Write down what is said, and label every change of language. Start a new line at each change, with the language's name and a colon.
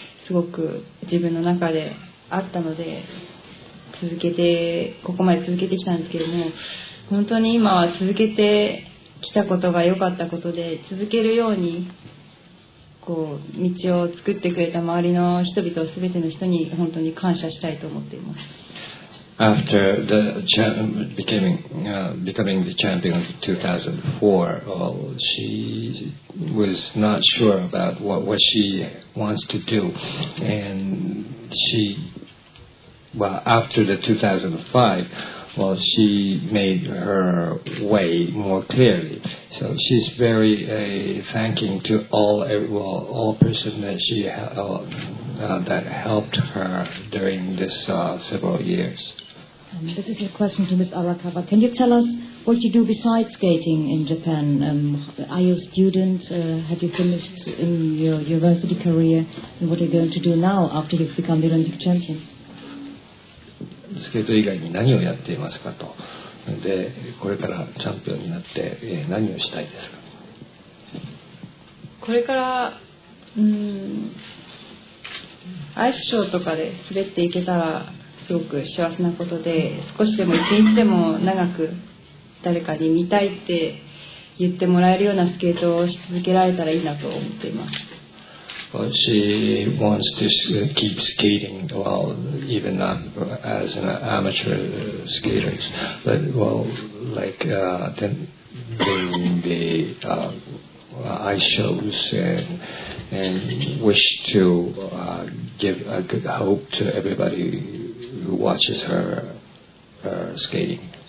Japanese: すごく自分の中であったので続けてここまで続けてきたんですけれども、本当に今は続けてきたことが良かったことで、続けるようにこう道を作ってくれた周りの人々全ての人に本当に感謝したいと思っています。
English: After the becoming the champion in 2004, well, she was not sure about what she wants to do. And she, well, after the 2005, well, she made her way more clearly. So she's very thanking to all person that she that helped her during this several years. This is a question to Ms. Arakawa. Can you tell us what you do besides skating in Japan? Are you a student? Have you finished in your university career? And what are you going to do now after you've become the Olympic champion?
Japanese: スケート以外に何をやっていますかと。で、これからチャンピオンになって、何をしたいですか。これから、アイスショーとかで滑っていけたらすごく幸せなことで、少しでも一日でも長く誰かに見たいって言ってもらえるようなスケートをし続けられたらいいなと思っています。
English: Well, she wants to keep skating well, even as an amateur skater, but well, like ice shows and wish to give a good hope to everybody who watches her skating.